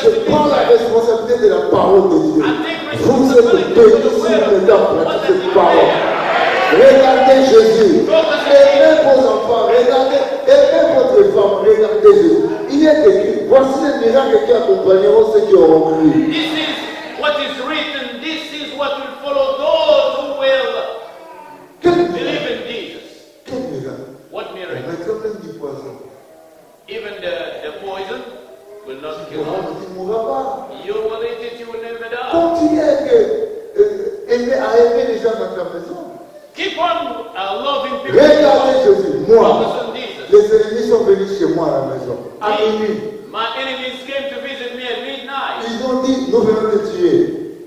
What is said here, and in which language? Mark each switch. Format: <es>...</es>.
<fr>je prends la responsabilité de la parole de Dieu. Vous êtes bénis si vous êtes en train de cette parole. Regardez Jésus. Aimez vos enfants. Regardez. Aimez votre femme. Regardez Jésus. Il est écrit. Voici les miracles qui accompagneront ceux qui auront cru.</fr> <en>This is what is written. This is what will follow those who will believe in Jesus.</en> <fr>Quel miracle?</fr> <en>What miracle?</en> <fr>Mais comme du poison.</fr> <en>Even the poison will not kill</en> <fr>us. Il mourra pas.</fr> <en>You will eat it, you will never die.</en> <fr>Continuez que, à aimer les gens dans ta maison.</fr> <en>Keep on loving people.</en> <fr>Regardez Jésus, moi, les ennemis sont venus chez moi à la maison. À minuit.</fr> <en>My enemies came to visit me at midnight.</en> <fr>Ils ont dit, nous venons te tuer.</fr>